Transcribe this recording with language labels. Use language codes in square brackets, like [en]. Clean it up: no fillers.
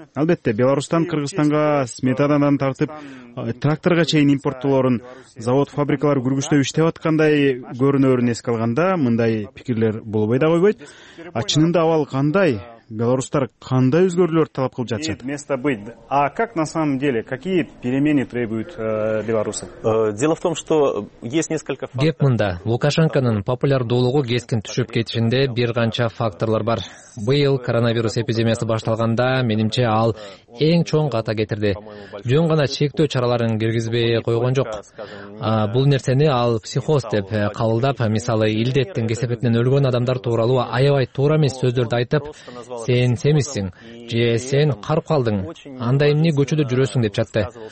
[ky] Албетте, Беларусьтан Кыргызстанга сметанадан тартып тракторго чейин импорттолорун завод фабрикалар күргүчтөп иштеп аткандай көрүнөрүн эске алганда мындай пикирлер болбой да койбойт. А чынында абал кандай? белорустар кандай өзгөрүүлөр талап кылып жатышат? [ru] Место быть. А как на самом деле, какие перемены требуют белорусы? Дело в том, что есть несколько факторов. [ky] Гэп мында. Лукашенконун популярдуулугу кескин түшүп кетишинде бир канча факторлор бар. Быйыл коронавирус эпидемиясы башталганда, менимче ал эң чоң ката кетирди. Жөн гана чектөө чараларын киргизбей койгон жок. Бул нерсени ал психоз деп кабылдап, мисалы илдеттин кесепетинен өлгөн адамдар тууралуу аябай туура эмес сөздөрдү айтып, сен семисиң же сен карып калдың, анда эмне көчөдө жүрөсүң деп жатты.